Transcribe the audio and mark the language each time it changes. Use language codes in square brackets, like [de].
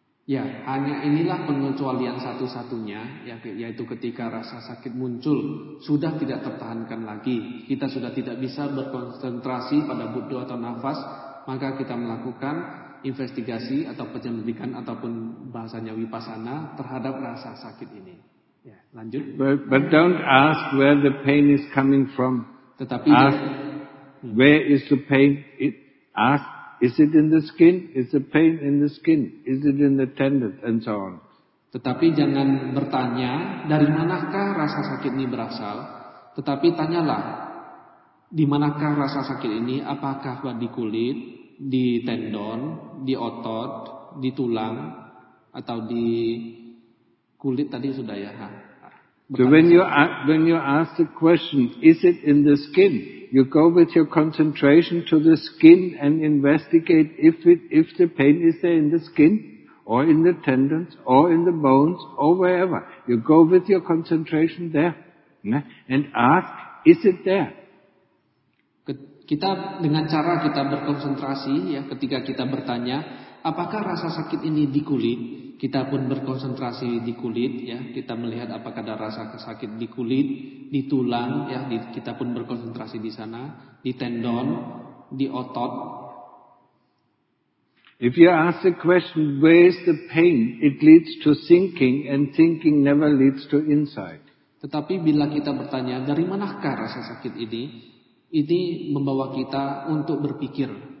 [id] Ya, hanya inilah pengecualian satu-satunya, yaitu ketika rasa sakit muncul, sudah tidak tertahankan lagi. Kita sudah tidak bisa berkonsentrasi pada Buddha atau nafas, maka kita melakukan investigasi atau penyelidikan ataupun bahasanya vipassana terhadap rasa sakit ini. Ya, lanjut. [en] But don't ask where the pain is coming from. [id] Tetapi [en] ask, where is the pain? Ask. Is it in the skin? Is the pain in the skin? Is it in the tendon? And so on. [id] Tetapi jangan bertanya dari manakah rasa sakit ini berasal, tetapi tanyalah di manakah rasa sakit ini? Apakah di kulit, di tendon, di otot, di tulang, atau di kulit tadi sudah ya? [en] So when you ask the question, is it in the skin? You go with your concentration to the skin and investigate if the pain is there in the skin, or in the tendons, or in the bones, or wherever. You go with your concentration there, and ask, is it there? [id] Kita dengan cara kita berkonsentrasi, ya, ketika kita bertanya, apakah rasa sakit ini di kulit? Kita pun berkonsentrasi di kulit, ya. Kita melihat apakah ada rasa sakit di kulit, di tulang, ya. Kita pun berkonsentrasi di sana, di tendon, di otot. [en] If you ask the question, where is the pain? It leads to thinking, and thinking never leads to insight. [id] Tetapi bila kita bertanya, dari manakah rasa sakit ini? Ini membawa kita untuk berpikir.